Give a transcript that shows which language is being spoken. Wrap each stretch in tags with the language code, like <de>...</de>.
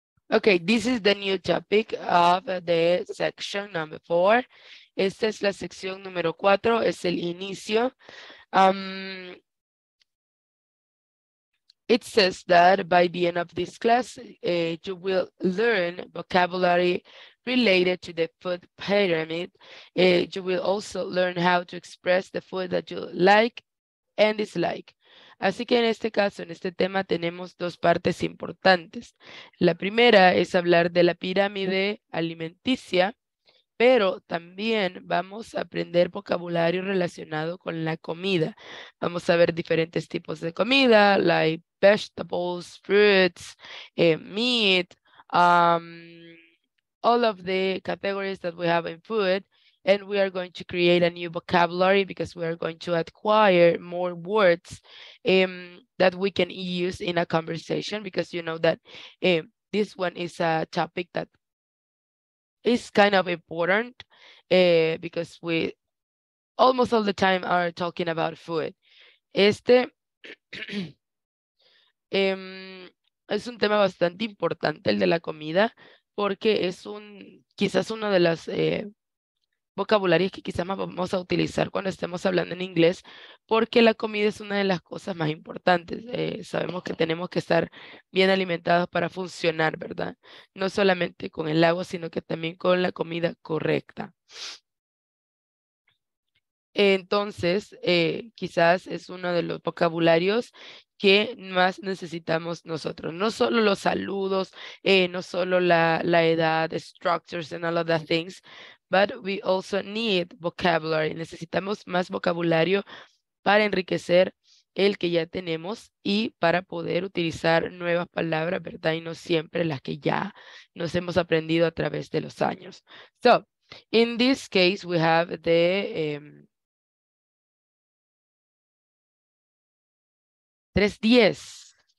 <en>Okay, this is the new topic of the section number 4.</en> <es>Esta es la sección número 4, es el inicio.</es> <en>It says that by the end of this class, you will learn vocabulary related to the food pyramid. You will also learn how to express the food that you like and dislike.</en> <es>Así que en este caso, en este tema, tenemos 2 partes importantes. La primera es hablar de la pirámide alimenticia, pero también vamos a aprender vocabulario relacionado con la comida. Vamos a ver diferentes tipos de comida,</es> <en>like vegetables, fruits, meat, all of the categories that we have in food. And we are going to create a new vocabulary because we are going to acquire more words that we can use in a conversation, because you know that this one is a topic that is kind of important because we almost all the time are talking about food.</en> <es>Este es un tema bastante importante, el de la comida, porque es un quizás una de las vocabularios que quizás más vamos a utilizar cuando estemos hablando en inglés, porque la comida es una de las cosas más importantes. Sabemos que tenemos que estar bien alimentados para funcionar, ¿verdad? No solamente con el agua, sino que también con la comida correcta. Entonces, quizás es uno de los vocabularios que más necesitamos nosotros. No solo los saludos, no solo la edad,</es> <en>the structures and all of the things, but we also need vocabulary.</en> <es>Necesitamos más vocabulario para enriquecer el que ya tenemos y para poder utilizar nuevas palabras, ¿verdad? Y no siempre las que ya nos hemos aprendido a través de los años.</es> <en>So, in this case, we have the</en> <es>tres diez.</es>